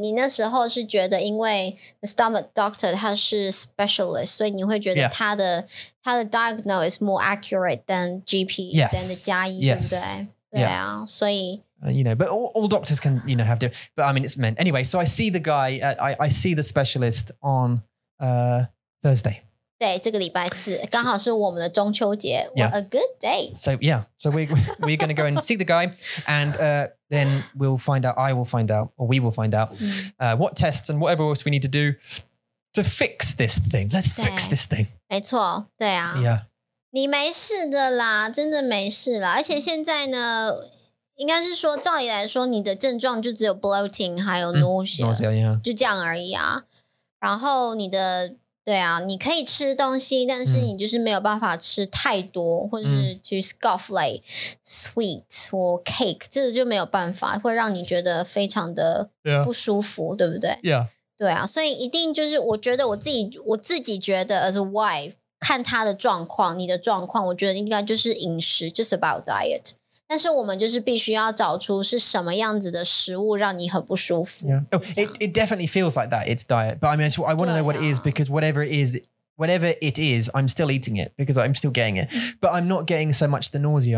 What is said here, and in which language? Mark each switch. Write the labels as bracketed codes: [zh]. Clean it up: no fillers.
[zh] 你那时候是觉得因为 [en] the stomach doctor [zh] 他是 specialist, 所以你会觉得他的, yeah. [en] 他的 diagnose is more accurate than GP, yes. than the 加医, yes. [zh] 对不对?Yeah. 对啊, 所以 [en] You know, but all doctors can, you know, have different, but I mean, it's men. Anyway, so I see the guy, I see the specialist on Thursday. [zh] 对，这个礼拜四，刚好是我们的中秋节。 [en] What a good day. So, yeah, so we're going to go and see the guy and then we'll find out, I will find out, or we will find out what tests and whatever else we need to do to fix this thing. Let's fix this thing. [zh] 没错，对啊。 [en] Yeah. [zh] 你没事的啦，真的没事啦。而且现在呢应该是说照理来说你的症状就只有 bloating 还有 [en] nausea、yeah. [zh] 就这样而已啊然后你的对啊你可以吃东西但是你就是没有办法吃太多或是去 [en] scoff like sweet or cake [zh] 这就没有办法会让你觉得非常的不舒服、 [en] yeah. [zh] 对不对、 [en] yeah. [zh] 对啊所以一定就是我自己觉得 [en] as a wife [zh] 看他的状况你的状况我觉得应该就是饮食 [en] just about diet [zh] 但是我们就是必须要找出是什么样子的食物让你很不舒服。 [en] Yeah. Oh, it definitely feels like that. It's diet. But I mean, I want to know what it is because whatever it is, I'm still eating it because I'm still getting it. But I'm not getting so much the nausea.